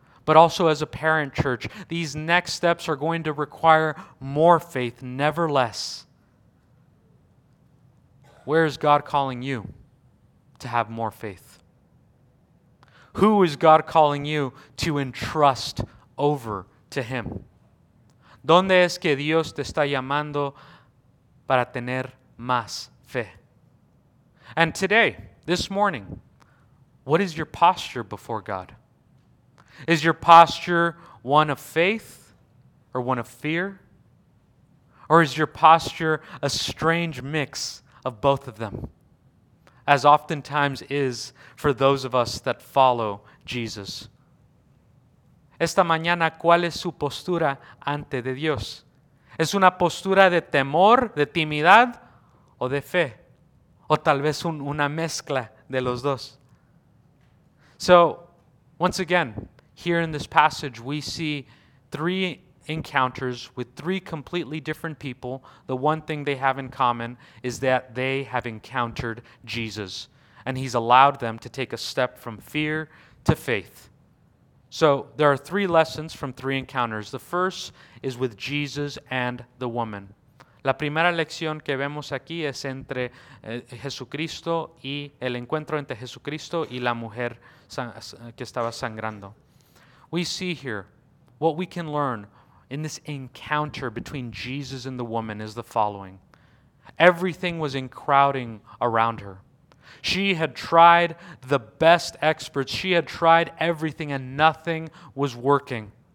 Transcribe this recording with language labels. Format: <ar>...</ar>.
<en>but also as a parent church. These next steps are going to require more faith, never less. Where is God calling you to have more faith? Who is God calling you to entrust over to Him?</en> <es>¿Dónde es que Dios te está llamando para tener más fe?</es> <en>And today, this morning, what is your posture before God? Is your posture one of faith or one of fear? Or is your posture a strange mix of both of them, as oftentimes is for those of us that follow Jesus?</en> <es>Esta mañana, ¿cuál es su postura ante de Dios? ¿Es una postura de temor, de timidez o de fe? O tal vez una mezcla de los dos.</es> <en>So, once again, here in this passage, we see three encounters with three completely different people. The one thing they have in common is that they have encountered Jesus, and He's allowed them to take a step from fear to faith. So, there are three lessons from three encounters. The first is with Jesus and the woman.</en> <es>La primera lección que vemos aquí es entre Jesucristo y el encuentro entre Jesucristo y la mujer que estaba sangrando.</es> <en>We see here what we can learn in this encounter between Jesus and the woman is the following. Everything was in crowding around her. She had tried the best experts. She had tried everything and nothing was working.</en>